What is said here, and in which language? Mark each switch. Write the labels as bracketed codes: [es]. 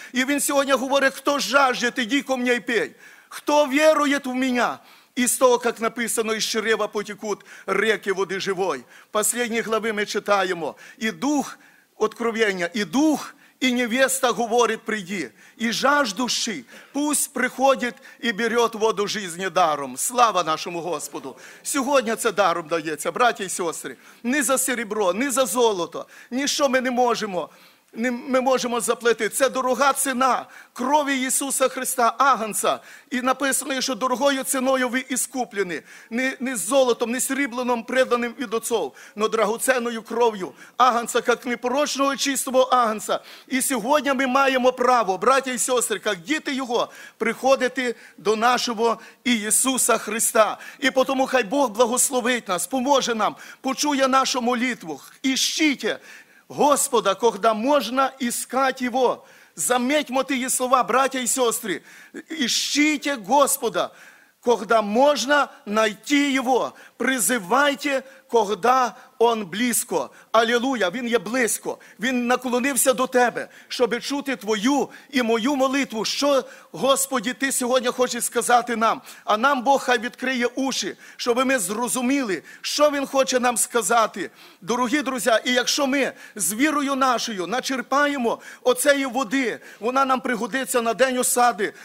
[uk] І він сьогодні говорить, хто жаждет, іди ко мені і пей. Хто вірует в мене? І з того, як написано, із чрева потікут реки води живої. Послідні глави ми читаємо. І дух откровення, і дух, і невеста говорить, прийди. І жаждущий пусть приходить і бере воду жизни даром. Слава нашому Господу! Сьогодні це даром дається, браті і сестри. Ні за серебро, ні за золото, ніщо ми не можемо. Ми можемо заплатити. Це дорога ціна крові Ісуса Христа, Агнця. І написано, що дорогою ціною ви іскуплені. Не золотом, не срібленим, приданим від отців, но драгоценною кров'ю Агнця, як непорочного чистого Агнця. І сьогодні ми маємо право, браття і сестри, як діти Його, приходити до нашого Ісуса Христа. І тому хай Бог благословить нас, поможе нам, почує нашу молитву. [ru] Іщіть Господа, когда можна искать Его. [uk] Заметьмо ті слова, браття і сестри. [ru] Ищите Господа, когда можна найти Его. Призивайте, когда Он близко. [uk] Аллилуйя, Він є близько. Він наклонився до тебе, щоб чути твою і мою молитву. Що, Господи, ти сьогодні хочеш сказати нам? А нам Бог хай відкриє уші, щоб ми зрозуміли, що Він хоче нам сказати. Дорогі друзі, і якщо ми з вірою нашою начерпаємо оцеї води, вона нам пригодиться на день осади.